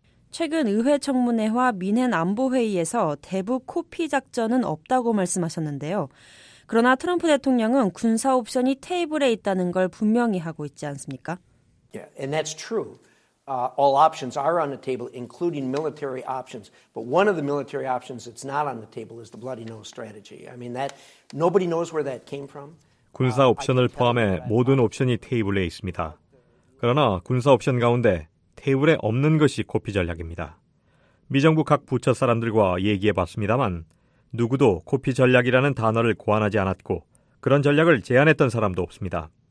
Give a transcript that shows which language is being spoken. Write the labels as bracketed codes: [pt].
[ko] 최근 의회 청문회와 민핸 안보회의에서 대북 코피 작전은 없다고 말씀하셨는데요. 그러나 트럼프 대통령은 군사 옵션이 테이블에 있다는 걸 분명히 하고 있지 않습니까? [en] Yeah, and that's true. All options are on the table, including military options. But one of the military options that's not on the table is the bloody nose strategy. I mean, that nobody knows where that came from. [ko] 군사 옵션을 포함해 모든 옵션이 테이블에 있습니다. 그러나 군사 옵션 가운데 테이블에 없는 것이 코피 전략입니다. 미 정부 각 부처 사람들과 얘기해봤습니다만 누구도 코피 전략이라는 단어를 고안하지 않았고 그런 전략을 제안했던 사람도 없습니다.